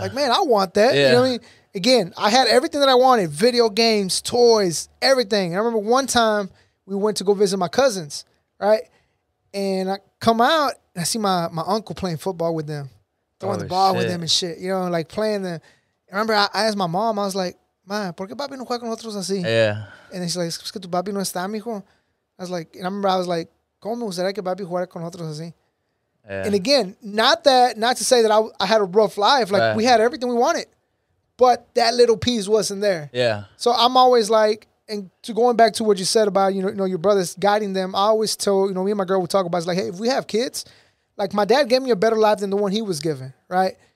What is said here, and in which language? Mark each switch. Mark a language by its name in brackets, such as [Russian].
[English] Like, man, I want that. Yeah. You know what I mean? Again, I had everything that I wanted, video games, toys, everything. And I remember one time we went to go visit my cousins, right? And I come out, and I see my uncle playing football with them, throwing the ball with them and shit, you know, like playing them. I remember I asked my mom, I was like, man, [Spanish] ¿por qué papi no juega con nosotros así? [English] Yeah. And she's like, [Spanish] es que tu papi no está, mijo. [English] I was like, and I remember I was like, [Spanish] ¿cómo me gustaría que papi jugara con nosotros así? [English] Yeah. And again, not to say that I had a rough life. Like, right. We had everything we wanted. But that little piece wasn't there. Yeah. So I'm always like, and to going back to what you said about, you know, your brothers guiding them, I always tell, you know, me and my girl would talk about, it's like, hey, if we have kids, like, my dad gave me a better life than the one he was given, right?